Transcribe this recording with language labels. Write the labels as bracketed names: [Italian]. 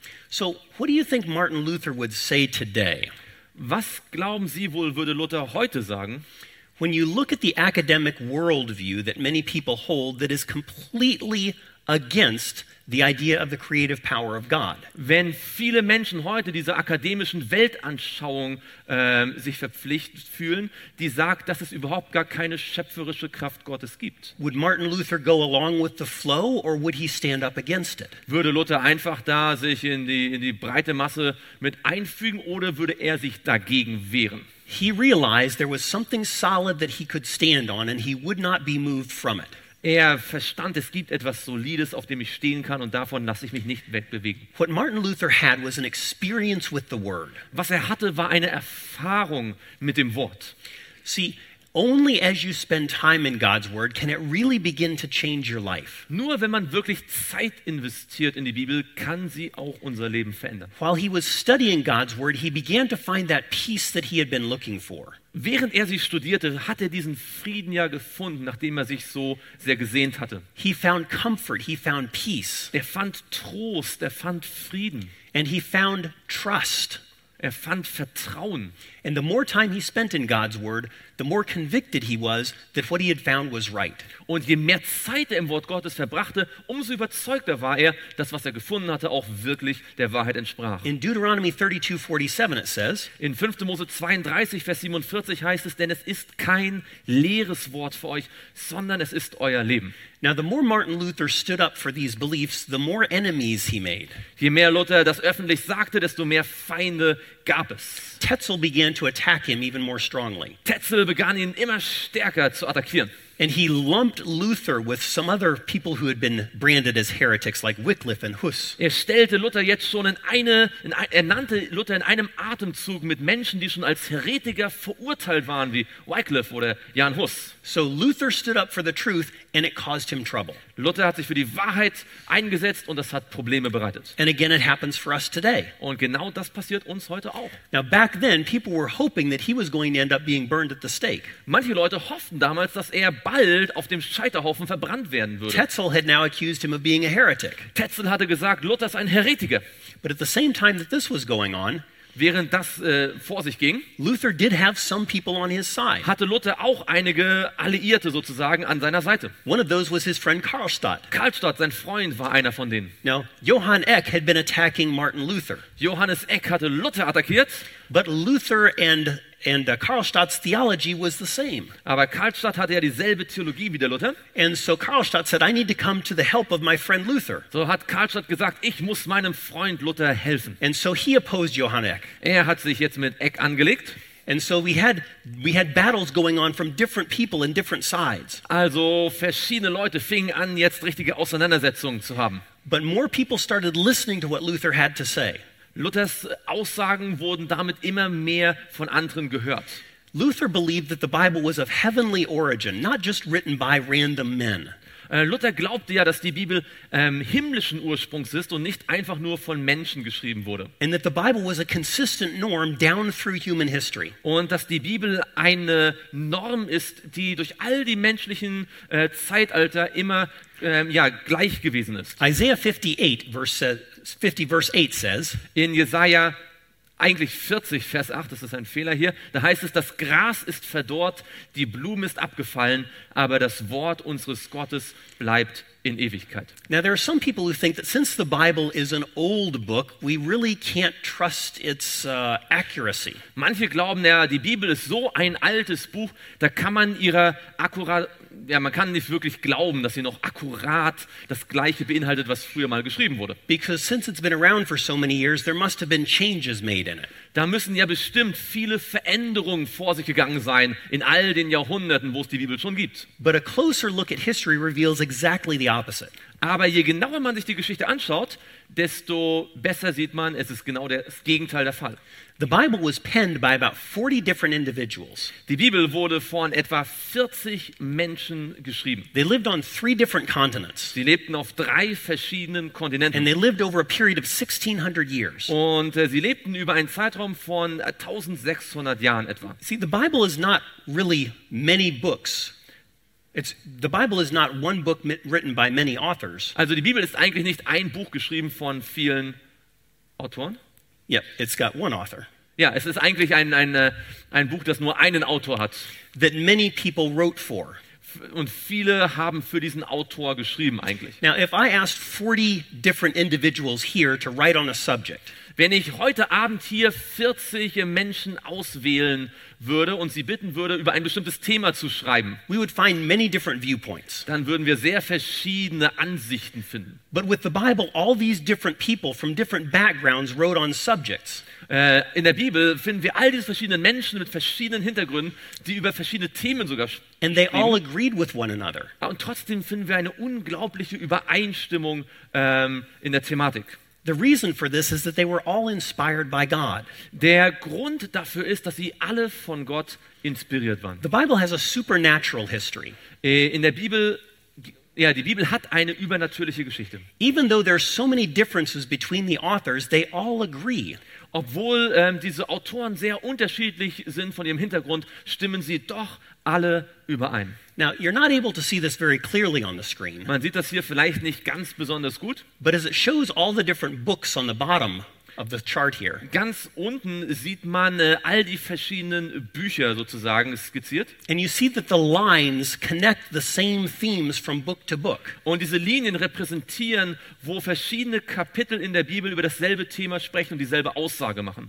[English] So what do you think Martin Luther would say today? [German] Was glauben Sie wohl, würde Luther heute sagen? [English] When you look at the academic worldview that many people hold, that is completely against the idea of the creative power of God. [German] Wenn viele Menschen heute dieser akademischen Weltanschauung sich verpflichtet fühlen, die sagt, dass es überhaupt gar keine schöpferische Kraft Gottes gibt. [English] Would Martin Luther go along with the flow, or would he stand up against it? [German] Würde Luther einfach da sich in die breite Masse mit einfügen, oder würde er sich dagegen wehren? [English] He realized there was something solid that he could stand on, and he would not be moved from it. [German] Er verstand, es gibt etwas Solides, auf dem ich stehen kann, und davon lasse ich mich nicht wegbewegen. [English] What Martin Luther had was an experience with the Word. [German] Was er hatte, war eine Erfahrung mit dem Wort. [English] See, only as you spend time in God's Word can it really begin to change your life. [German] Nur wenn man wirklich Zeit investiert in die Bibel, kann sie auch unser Leben verändern. [English] While he was studying God's Word, he began to find that peace that he had been looking for. [German] Während er sie studierte, hat er diesen Frieden ja gefunden, nachdem er sich so sehr gesehnt hatte. [English] He found comfort, he found peace. [German] Er fand Trost, er fand Frieden. [English] And he found trust. [German] Er fand Vertrauen. [English] And the more time he spent in God's word, the more convicted he was that what he had found was right. [German] Und je mehr Zeit er im Wort Gottes verbrachte, umso überzeugter war er, dass was er gefunden hatte, auch wirklich der Wahrheit entsprach. [English] In Deuteronomy 32:47 it says, [German] in 5. Mose 32, Vers 47 heißt es, denn es ist kein leeres Wort für euch, sondern es ist euer Leben. [English] Now the more Martin Luther stood up for these beliefs, the more enemies he made. [German] Je mehr Luther das öffentlich sagte, desto mehr Feinde gab es. [English] Tetzel began to attack him even more strongly. [German] Tetzel begann ihn immer stärker zu attackieren. [English] And he lumped Luther with some other people who had been branded as heretics, like Wycliffe and Huss. [German] Er stellte Luther jetzt schon nannte Luther in einem Atemzug mit Menschen, die schon als Heretiker verurteilt waren, wie Wycliffe oder Jan Hus. [English] So Luther stood up for the truth, and it caused him trouble. [German] Luther hat sich für die Wahrheit eingesetzt, und das hat Probleme bereitet. [English] And again, it happens for us today. [German] Und genau das passiert uns heute auch. [English] Now back then, people were hoping that he was going to end up being burned at the stake. [German] Manche Leute hofften damals, dass er bald auf dem Scheiterhaufen verbrannt werden würde. [English] Tetzel had now accused him of being a heretic. [German] Tetzel hatte gesagt, Luther sei ein Heretiker. [English] But at the same time that this was going on, [German] während das vor sich ging, [English] Luther did have some people on his side. [German] Hatte Luther auch einige Alliierte sozusagen an seiner Seite. [English] One of those was his friend Karlstadt. [German] Karlstadt, sein Freund, war einer von denen. [English] Now, Johann Eck had been attacking Martin Luther. [German] Johannes Eck hatte Luther attackiert. [English] But Luther and Karlstadt's theology was the same. [German] Aber Karlstadt hatte ja dieselbe Theologie wie der Luther. [English] And so Karlstadt said, I need to come to the help of my friend Luther. [German] So hat Karlstadt gesagt, ich muss meinem Freund Luther helfen. [English] And so he opposed Johann Eck. [German] Er hat sich jetzt mit Eck angelegt. [English] And so we had battles going on from different people in different sides. [German] Also verschiedene Leute fingen an, jetzt richtige Auseinandersetzungen zu haben. [English] But more people started listening to what Luther had to say. [German] Luthers Aussagen wurden damit immer mehr von anderen gehört. [English] Luther believed that the Bible was of heavenly origin, not just written by random men. [German] Luther glaubte ja, dass die Bibel himmlischen Ursprungs ist und nicht einfach nur von Menschen geschrieben wurde. [English] And that the Bible was a consistent norm down through human history. [German] Und dass die Bibel eine Norm ist, die durch all die menschlichen Zeitalter immer gleich gewesen ist. [English] Isaiah 58, verse 8 says, [German] in Jesaja eigentlich 40, Vers 8, das ist ein Fehler hier, da heißt es, das Gras ist verdorrt, die Blume ist abgefallen, aber das Wort unseres Gottes bleibt in Ewigkeit. [English] Now there are some people who think that since the Bible is an old book, we really can't trust its accuracy. [German] Manche glauben, ja, die Bibel ist so ein altes Buch, da kann man ihrer Akkurat, ja, man kann nicht wirklich glauben, dass sie noch akkurat das Gleiche beinhaltet, was früher mal geschrieben wurde. [English] Because since it's been around for so many years, there must have been changes made in it. [German] Da müssen ja bestimmt viele Veränderungen vor sich gegangen sein in all den Jahrhunderten, wo es die Bibel schon gibt. [English] But a closer look at history reveals exactly the opposite. [German] Aber je genauer man sich die Geschichte anschaut, desto besser sieht man, es ist genau das Gegenteil der Fall. [English] The Bible was penned by about 40 different individuals. [German] Die Bibel wurde von etwa 40 Menschen geschrieben. [English] They lived on three different continents. [German] Sie lebten auf drei verschiedenen Kontinenten. [English] And they lived over a period of 1600 years. [German] Und sie lebten über einen Zeitraum von 1600 Jahren etwa. [English] See, the Bible is not really many books. The Bible is not one book written by many authors. [German] Also die Bibel ist eigentlich nicht ein Buch geschrieben von vielen Autoren. [English] Yeah, it's got one author. [German] Ja, es ist eigentlich ein Buch, das nur einen Autor hat. [English] That many people wrote for. [German] Und viele haben für diesen Autor geschrieben eigentlich. [English] Now, if I asked 40 different individuals here to write on a subject. [German] Wenn ich heute Abend hier 40 Menschen auswählen würde und sie bitten würde, über ein bestimmtes Thema zu schreiben, [English] we would find many different viewpoints. [German] Dann würden wir sehr verschiedene Ansichten finden. [English] But with the Bible, all these different people from different backgrounds wrote on subjects. [German] In der Bibel finden wir all diese verschiedenen Menschen mit verschiedenen Hintergründen, die über verschiedene Themen sogar schreiben. [English] And they all agreed with one another. [German] Und trotzdem finden wir eine unglaubliche Übereinstimmung in der Thematik. [English] The reason for this is that they were all inspired by God. [German] Der Grund dafür ist, dass sie alle von Gott inspiriert waren. [English] The Bible has a supernatural history. [German] In der Bibel, ja, die Bibel hat eine übernatürliche Geschichte. [English] Even though there are so many differences between the authors, they all agree. [German] Obwohl diese Autoren sehr unterschiedlich sind von ihrem Hintergrund, stimmen sie doch alle überein. [English] Now you're not able to see this very clearly on the screen. [German] Man sieht das hier vielleicht nicht ganz besonders gut. [English] But as it shows all the different books on the bottom of the chart here. [German] Ganz unten sieht man all die verschiedenen Bücher sozusagen skizziert. [English] And you see that the lines connect the same themes from book to book. [German] Und diese Linien repräsentieren, wo verschiedene Kapitel in der Bibel über dasselbe Thema sprechen und dieselbe Aussage machen.